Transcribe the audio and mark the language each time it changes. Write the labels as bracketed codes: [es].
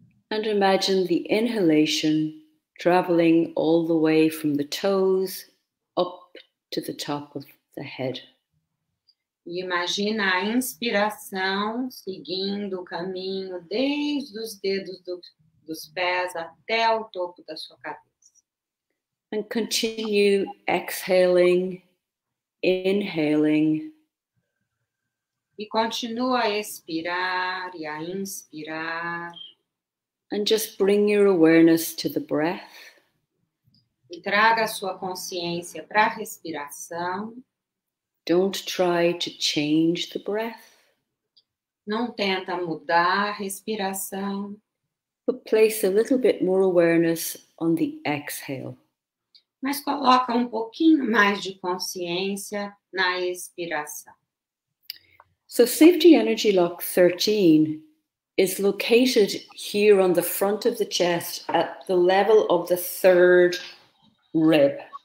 [en] And imagine the inhalation traveling all the way from the toes up to the top of the head. [pt] Imagina a inspiração seguindo o caminho desde os dedos dos pés até o topo da sua cabeça. [en] And continue exhaling, inhaling. [pt] E continua a expirar e a inspirar. [en] And just bring your awareness to the breath. [pt] E traga sua consciência para a respiração. [en] Don't try to change the breath. [pt] Não tenta mudar a respiração. [en] But place a little bit more awareness on the exhale. [pt] Mas coloca um pouquinho mais de consciência na expiração. [en] So safety energy lock 13 is located here on the front of the chest at the level of the third rib.